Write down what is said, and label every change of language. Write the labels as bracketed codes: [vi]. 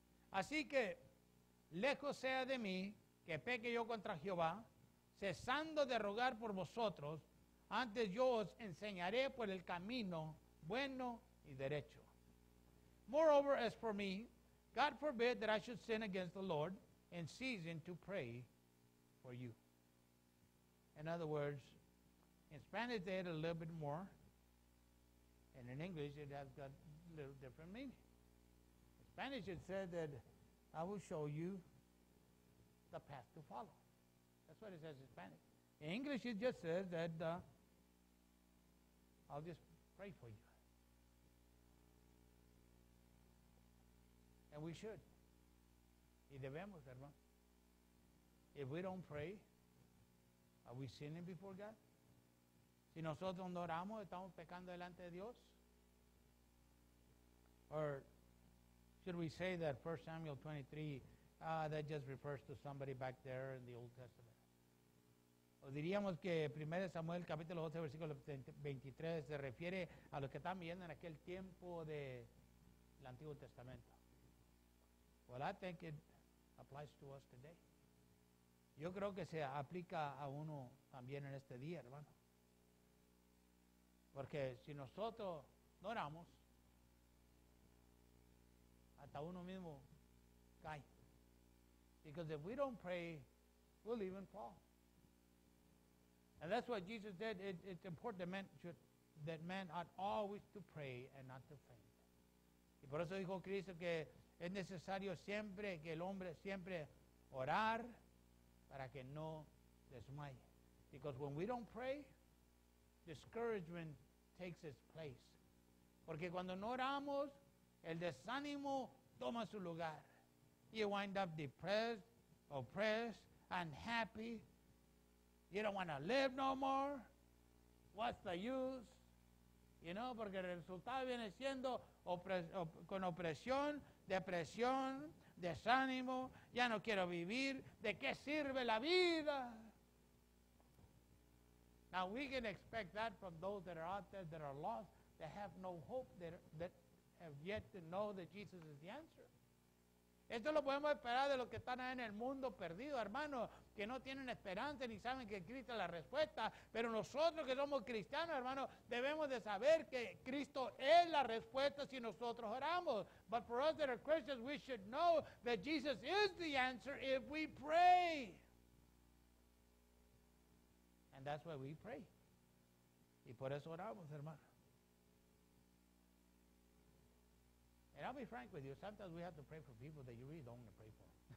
[es] Así que, lejos sea de mí, que peque yo contra Jehová, cesando de rogar por vosotros, antes yo os enseñaré por el camino bueno y derecho. [en] Moreover, as for me, God forbid that I should sin against the Lord in ceasing to pray for you. In other words, in Spanish they had a little bit more, and in English it has got a little different meaning. In Spanish it said that I will show you the path to follow. That's what it says in Spanish. In English, it just says that I'll just pray for you. And we should. [es] Y debemos, hermano. [en] If we don't pray, are we sinning before God? [es] Si nosotros no oramos, estamos pecando delante de Dios. [en] Or should we say that 1 Samuel 23, that just refers to somebody back there in the Old Testament? [es] O diríamos que 1 Samuel capítulo 12, versículo 23, se refiere a los que están viviendo en aquel tiempo del Antiguo Testamento. [en] Well, I think it applies to us today. [es] Yo creo que se aplica a uno también en este día, hermano. Porque si nosotros no oramos, hasta uno mismo cae. [en] Because if we don't pray, we'll even fall. And that's what Jesus said. It's important that men ought always to pray and not to faint. [es] Y por eso dijo Cristo que es necesario siempre que el hombre siempre orar para que no desmaye. [en] Because when we don't pray, discouragement takes its place. [es] Porque cuando no oramos, el desánimo toma su lugar. [en] You wind up depressed, oppressed, unhappy. You don't want to live no more. What's the use? You know, [es] porque el resultado viene siendo con opresión, depresión, desánimo. Ya no quiero vivir. ¿De qué sirve la vida? [en] Now, we can expect that from those that are out there that are lost, that have no hope, that have yet to know that Jesus is the answer. [es] Esto lo podemos esperar de los que están en el mundo perdido, hermano, que no tienen esperanza ni saben que Cristo es la respuesta. Pero nosotros que somos cristianos, hermano, debemos de saber que Cristo es la respuesta si nosotros oramos. [en] But for us that are Christians, we should know that Jesus is the answer if we pray. And that's why we pray. [es] Y por eso oramos, hermano. [en] And I'll be frank with you. Sometimes we have to pray for people that you really don't want to pray for.